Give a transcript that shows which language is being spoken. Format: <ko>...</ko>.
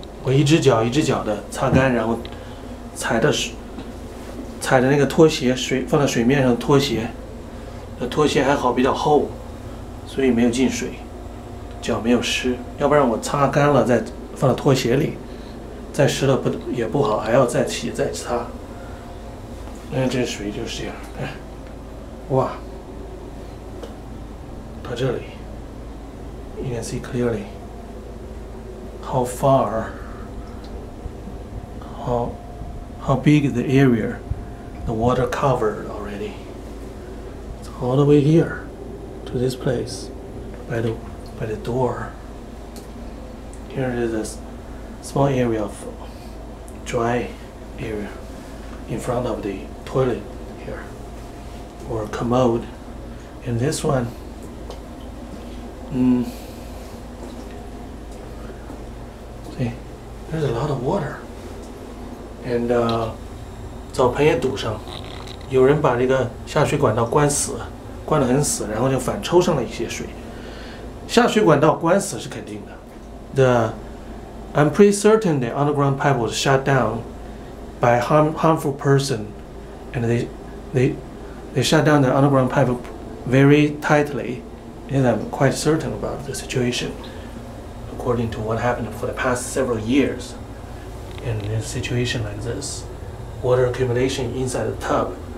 <zh>我一只脚一只脚的擦干，然后踩的那个拖鞋，水放在水面上的拖鞋，那拖鞋还好比较厚，所以没有进水，脚没有湿。要不然我擦干了再放到拖鞋里，再湿了不好，还要再洗再擦。那这水就是这样，哎，哇，到这里。</zh> <en>You can see clearly how far, how big the area the water covered already. It's all the way here to this place by the door. Here is a small area of dry area in front of the toilet here or commode. And this one, there's a lot of water.</en> <zh>And 澡盆也堵上，有人把这个下水管道关死，关得很死，然后就反抽上了一些水。下水管道关死是肯定的。</zh> <en>I'm pretty certain the underground pipe was shut down by harmful person, and they shut down the underground pipe very tightly. And I'm quite certain about the situation. According to what happened for the past several years, in a situation like this, water accumulation inside the tub.</en>